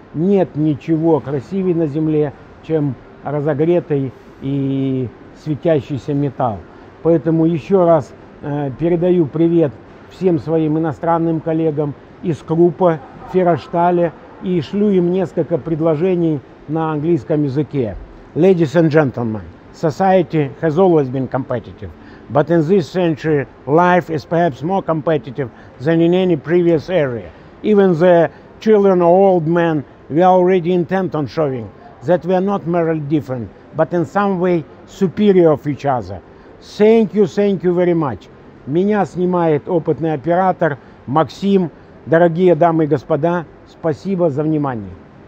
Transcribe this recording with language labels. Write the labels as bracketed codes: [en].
[ru] Нет ничего красивее на земле, чем разогретый и светящийся металл. Поэтому еще раз передаю привет всем своим иностранным коллегам из Круппа, Ферроштали. И шлю им несколько предложений на английском языке. [en] Ladies and gentlemen, society has always been competitive. But in this century, life is perhaps more competitive than in any previous area. Even the children or old men, we are already intent on showing that we are not merely different, but in some way superior of each other. Thank you very much. [ru] Меня снимает опытный оператор Максим. Дорогие дамы и господа, спасибо за внимание.